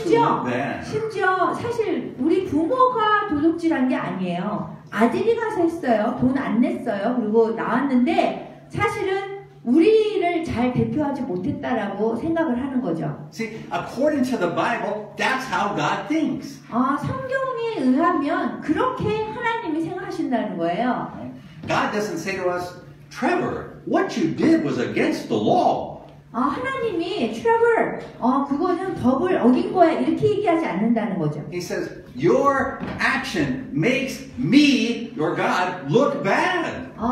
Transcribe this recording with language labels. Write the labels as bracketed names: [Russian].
[Korean] 심지어, [English] who did bad. [Korean] 심지어 사실 우리 부모가 도둑질한 게 아니에요. 아들이 가서 했어요. 돈 안 냈어요. 그리고 나왔는데 사실은 우리를 잘 대표하지 못했다라고 생각을 하는 거죠. [English] See, according to the Bible, that's how God thinks. [Korean] 성경에 의하면 그렇게 하나님이 생각하신다는 거예요. [English] God doesn't say to us, Trevor, what you did was against the law. [Korean] 하나님이 Trevor, 그거는 법을 어긴 거야 이렇게 얘기하지 않는다는 거죠. [English] He says, Your action makes me, your God, look bad.